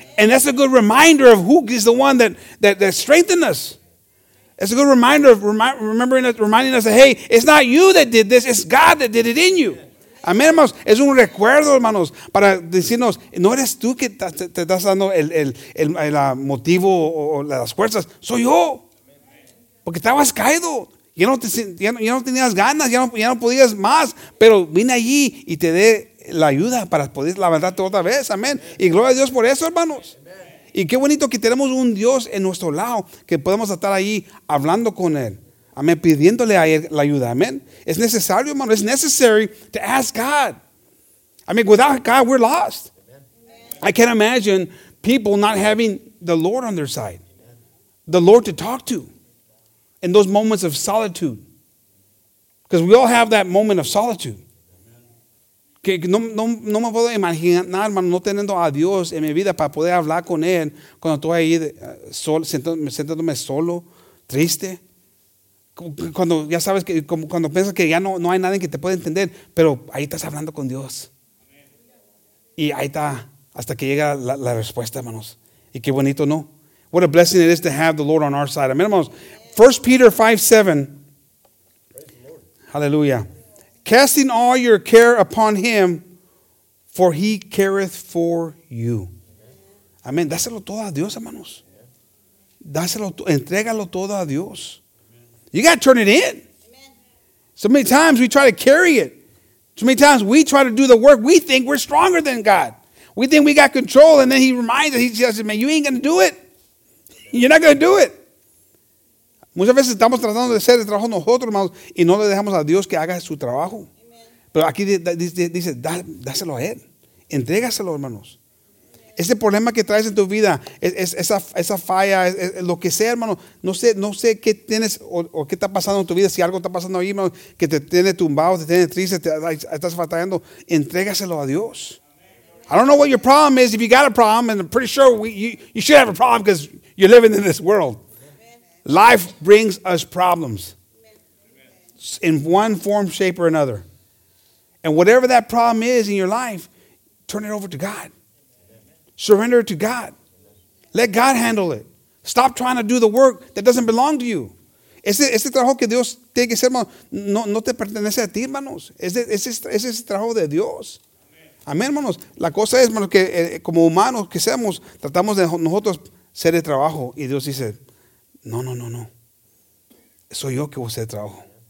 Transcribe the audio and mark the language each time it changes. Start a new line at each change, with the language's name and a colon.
English: And that's a good reminder of who is the one that strengthened us. It's a good reminder of reminding us that, hey, it's not you that did this. It's God that did it in you.
Spanish: Amén, hermanos. Es un recuerdo, hermanos, para decirnos, no eres tú que te estás dando el motivo o las fuerzas. Soy yo. Porque estabas caído. Ya no tenías ganas, ya no podías más, pero vine allí y te dé la ayuda para poder levantarte otra vez, amén. Y gloria a Dios por eso, hermanos. Y qué bonito que tenemos un Dios en nuestro lado, que podemos estar ahí hablando con Él, amén, pidiéndole a Él la ayuda, amén. Es necesario, hermano,
English: it's necessary to ask God. I mean, without God, we're lost. I can't imagine people not having the Lord on their side. The Lord to talk to. In those moments of solitude. Because we all have that moment of solitude.
Spanish: Que no me puedo imaginar, hermano, no teniendo a Dios en mi vida para poder hablar con Él cuando estoy ahí sentándome solo, triste. Cuando ya sabes que, como cuando piensas que ya no hay nadie que te pueda entender, pero ahí estás hablando con Dios. Y ahí está, hasta que llega la respuesta, hermanos. Y qué bonito, ¿no?
English: What a blessing it is to have the Lord on our side.
Spanish: Amén, hermanos.
English: 1 Peter 5:7. Hallelujah. Casting all your care upon him, for he careth for you.
Spanish: Amén. Dáselo todo a Dios, hermanos. Dáselo, entrégalo todo a Dios.
English: You got to turn it in. So many times we try to carry it. So many times we try to do the work. We think we're stronger than God. We think we got control. And then he reminds us. He says, man, you ain't going to do it. You're not going to do it.
Spanish: Muchas veces estamos tratando de hacer el trabajo nosotros, hermanos, y no le dejamos a Dios que haga su trabajo. Amen. Pero aquí dice, dáselo a Él. Entrégaselo, hermanos. Ese problema que traes en tu vida, esa falla, lo que sea, hermano, no sé qué tienes o qué está pasando en tu vida, si algo está pasando ahí, hermano, que te tiene tumbado, te tiene triste, estás batallando, entrégaselo a Dios.
English: Amen. I don't know what your problem is. If you got a problem, and I'm pretty sure you should have a problem because you're living in this world. Life brings us problems in one form, shape, or another. And whatever that problem is in your life, turn it over to God. Surrender it to God. Let God handle it. Stop trying to do the work that doesn't belong to you.
Spanish: Ese trabajo que Dios tiene que hacer, hermano, no te pertenece a ti, hermanos. Ese es el trabajo de Dios. Amén, hermanos. La cosa es, hermanos, que como humanos que seamos, tratamos de nosotros ser el trabajo. Y Dios dice, No. Soy yo que voy a hacer el trabajo.